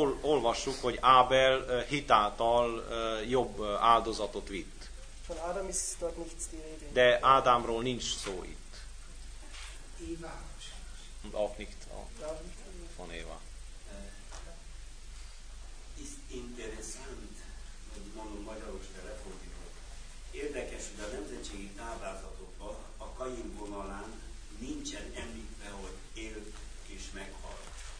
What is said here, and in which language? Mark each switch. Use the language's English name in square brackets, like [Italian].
[Hungarian] olvassuk, hogy Ábel hitáltal jobb áldozatot vitt. [German] Von Adam ist dort nichts die Rede. [Hungarian] De Ádámról nincs szó itt. [German] Eva. Auch nicht von Eva. [Hungarian] interessant, hogy mondom magyaros telefonikot. Érdekes, hogy a nemzetségi táblázatokban a Kain vonalán nincsen említve, hogy élt és meghalt.